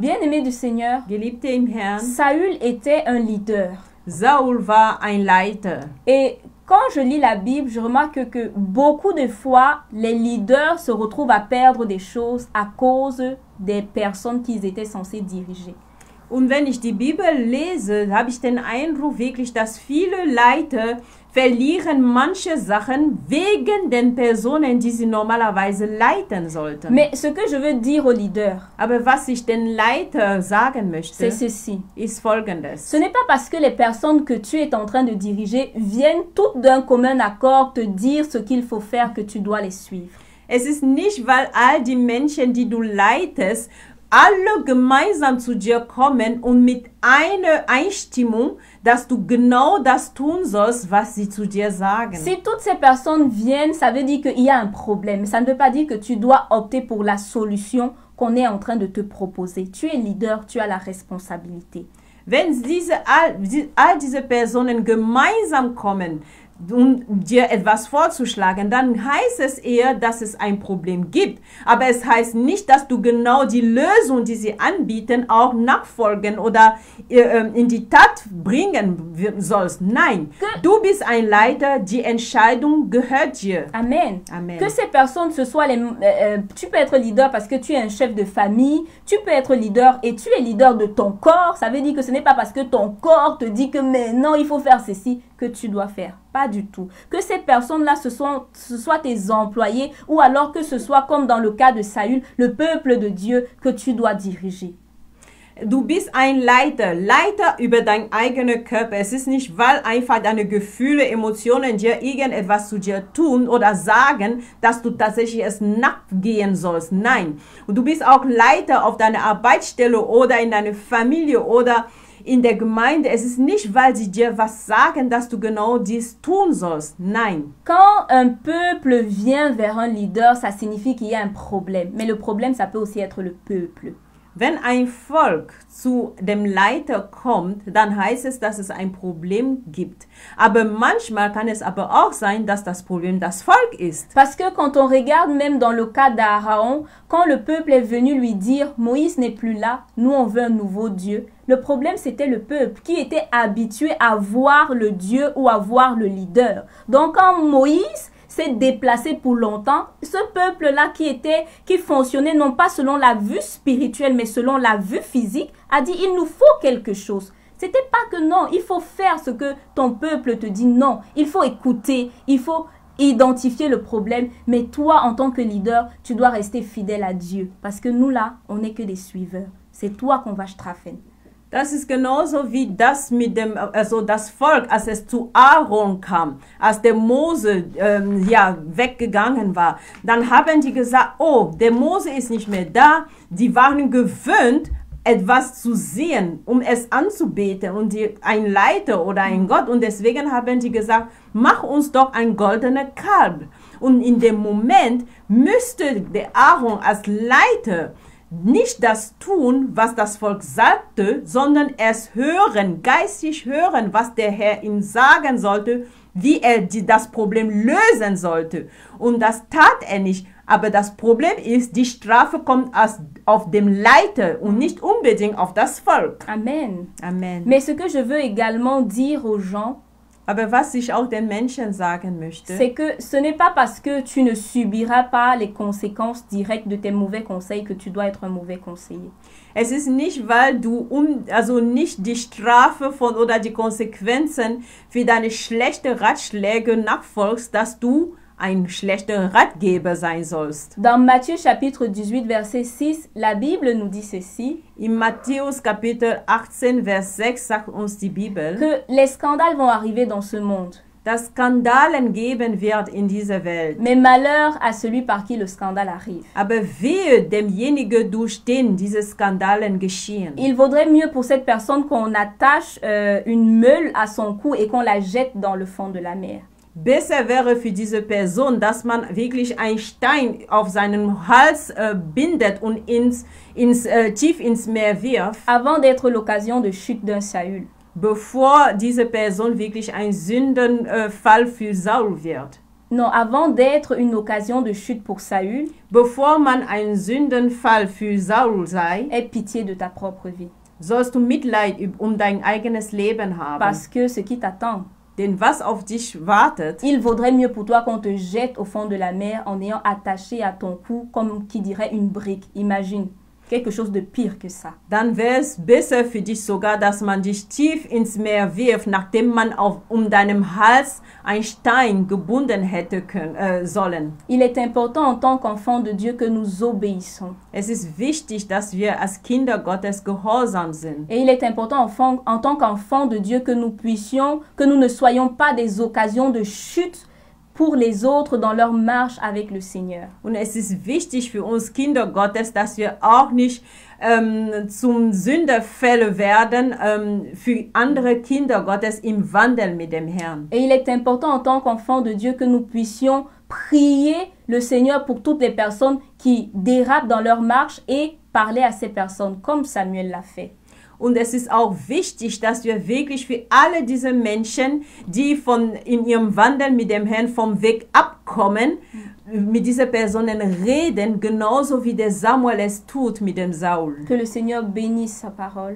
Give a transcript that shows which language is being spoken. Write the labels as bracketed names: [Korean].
[French] Bien-aimé du Seigneur. [German] Geliebte im Herrn. [French] Saül était un leader. [German] Saul war ein Leiter. [French] Et quand je lis la Bible, je remarque que beaucoup de fois, les leaders se retrouvent à perdre des choses à cause des personnes qu'ils étaient censés diriger. [German] Und wenn ich die Bibel lese, habe ich den Eindruck wirklich, dass viele Leiter verlieren manche Sachen wegen den Personen, die sie normalerweise leiten sollten. [French] Mais ce que je veux dire aux leaders, [German] aber was ich den Leiter sagen möchte, [French] c'est ceci. [German] Ist folgendes. [French] Ce n'est pas parce que les personnes que tu es en train de diriger viennent toutes d'un commun accord te dire ce qu'il faut faire que tu dois les suivre. [German] Es ist nicht, weil all die Menschen, die du leitest, alle gemeinsam zu dir kommen und mit einer Einstimmung, dass du genau das tun sollst, was sie zu dir sagen. [French] Si toutes ces personnes viennent, ça veut dire qu'il y a un problème. Ça ne veut pas dire que tu dois opter pour la solution qu'on est en train de te proposer. Tu es leader, tu as la responsabilité. [German] Wenn all diese Personen gemeinsam kommen, um dir etwas vorzuschlagen, dann heißt es eher, dass es ein Problem gibt. Aber es heißt nicht, dass du genau die Lösung, die sie anbieten, auch nachfolgen oder in die Tat bringen sollst. Nein, du bist ein Leiter, die Entscheidung gehört dir. [French] Amen. [German] Amen. [French] Que ces personnes, ce soit les, tu peux être leader parce que tu es un chef de famille, tu peux être leader et tu es leader de ton corps. Ça veut dire que ce n'est pas parce que ton corps te dit que maintenant il faut faire ceci que tu dois faire. Pas du tout. Que ces personnes-là, ce soit tes employés ou alors que ce soit comme dans le cas de Saül, le peuple de Dieu que tu dois diriger. [German] Du bist ein Leiter, Leiter über deinen eigenen Körper. Es ist nicht, weil einfach deine Gefühle, Emotionen dir irgendetwas zu dir tun oder sagen, dass du tatsächlich es nachgehen sollst. Nein. Und du bist auch Leiter auf deiner Arbeitsstelle oder in deiner Familie oder in der Gemeinde, es ist nicht, weil sie dir was sagen, dass du genau dies tun sollst. Nein. [French] Quand un peuple vient vers un leader, ça signifie qu'il y a un problème. Mais le problème, ça peut aussi être le peuple. [German] Wenn ein Volk zu dem Leiter kommt, dann heißt es, dass es ein Problem gibt. Aber manchmal kann es aber auch sein, dass das Problem das Volk ist. [French] Parce que quand on regarde même dans le cas d'Aaron, quand le peuple est venu lui dire « Moïse n'est plus là, nous on veut un nouveau Dieu », le problème c'était le peuple qui était habitué à voir le Dieu ou à voir le leader. Donc quand Moïse s'est déplacé pour longtemps, ce peuple-là qui fonctionnait non pas selon la vue spirituelle, mais selon la vue physique, a dit « il nous faut quelque chose ». Ce n'était pas que non, il faut faire ce que ton peuple te dit. Non, il faut écouter, il faut identifier le problème. Mais toi, en tant que leader, tu dois rester fidèle à Dieu. Parce que nous là, on n'est que des suiveurs. C'est toi qu'on va strafen. [German] Das ist genauso wie das mit dem, also das Volk, als es zu Aaron kam, als der Mose weggegangen war. Dann haben die gesagt, oh, der Mose ist nicht mehr da. Die waren gewöhnt, etwas zu sehen, um es anzubeten und ein Leiter oder ein Gott. Und deswegen haben die gesagt, mach uns doch ein goldener Kalb. Und in dem Moment müsste der Aaron als Leiter nicht das tun, was das Volk sagte, sondern es hören, geistig hören, was der Herr ihm sagen sollte, wie er das Problem lösen sollte. Und das tat er nicht. Aber das Problem ist, die Strafe kommt auf dem Leiter und nicht unbedingt auf das Volk. [French] Amen. [German] Amen. [French] Mais ce que je veux également dire aux gens, [German] aber was ich auch den Menschen sagen möchte, [French] c'est que ce n'est pas parce que tu ne subiras pas les conséquences directes de tes mauvais conseils que tu dois être un mauvais conseiller. [German] Es ist nicht, weil du also nicht die Strafe von oder die Konsequenzen für deine schlechten Ratschläge nachfolgst, dass du ein schlechter Ratgeber sein sollst. [French] Dans Matthieu chapitre 18 verset 6, la Bible nous dit ceci. [German] In Matthäus Kapitel 18 vers 6 sagt uns die Bibel, [French] que les scandales vont arriver dans ce monde. [German] Dass Skandalen geben wird in dieser Welt. [French] Mais malheur à celui par qui le scandale arrive. [German] Aber wehe demjenigen, durch den diese Skandalen geschehen. [French] Il vaudrait mieux pour cette personne qu'on attache une meule à son cou et qu'on la jette dans le fond de la mer. [German] Besser wäre für diese Person, dass man wirklich einen Stein auf seinen Hals bindet und tief ins Meer wirft. [French] Avant d'être l'occasion de chute d'un Saül. [German] Bevor diese Person wirklich ein Sündenfall für Saul wird. [French] Non, avant d'être une occasion de chute pour Saül. [German] Bevor man ein Sündenfall für Saul sei. [French] Aie pitié de ta propre vie. [German] Sollst du Mitleid dein eigenes Leben haben. [French] Parce que ce qui t'attend. [German] Denn was auf dich wartet, [French] il vaudrait mieux pour toi qu'on te jette au fond de la mer en ayant attaché à ton cou comme qui dirait une brique. Imagine, quelque chose de pire que ça. [German] Dann wäre es besser für dich sogar, dass man dich tief ins Meer wirft, nachdem man deinem Hals einen Stein gebunden hätte sollen. [French] Il est important en tant qu'enfant de Dieu que nous obéissons. [German] Es ist wichtig, dass wir als Kinder Gottes gehorsam sind. [French] Et il est important en tant qu'enfant de Dieu que nous puissions, que nous ne soyons pas des occasions de chute pour les autres dans leur marche avec le Seigneur. [German] Und es ist wichtig für uns Kinder Gottes, dass wir auch nicht zum Sünderfälle werden für andere Kinder Gottes im Wandel mit dem Herrn. [French] Et il est important en tant qu'enfant de Dieu que nous puissions prier le Seigneur pour toutes les personnes qui dérapent dans leur marche et parler à ces personnes comme Samuel l'a fait. [German] Und es ist auch wichtig, dass wir wirklich für alle diese Menschen, die von in ihrem Wandel mit dem Herrn vom Weg abkommen, mit dieser Personen reden, genauso wie der Samuel es tut mit dem Saul. [French] Que le Seigneur bénisse sa parole.